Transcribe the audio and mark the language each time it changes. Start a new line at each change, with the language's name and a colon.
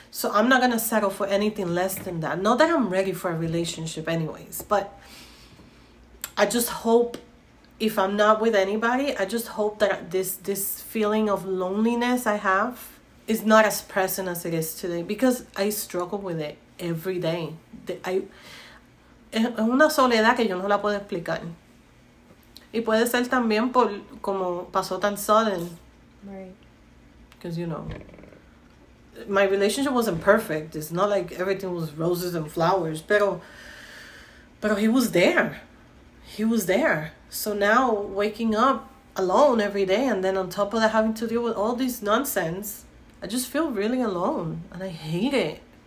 English: So I'm not gonna settle for anything less than that. Not that I'm ready for a relationship anyways, but I just hope, if I'm not with anybody, I just hope that this feeling of loneliness I have is not as present as it is today, because I struggle with it every day.
Spanish: Es una soledad que yo no la puedo explicar. Y puede ser también por como pasó tan sudden.
English: Right. Because, you know, my relationship wasn't perfect. It's not like everything was roses and flowers. Pero he was there. He was there. So now, waking up alone every day, and then on top of that, having to deal with all this nonsense, I just feel really alone, and I hate it.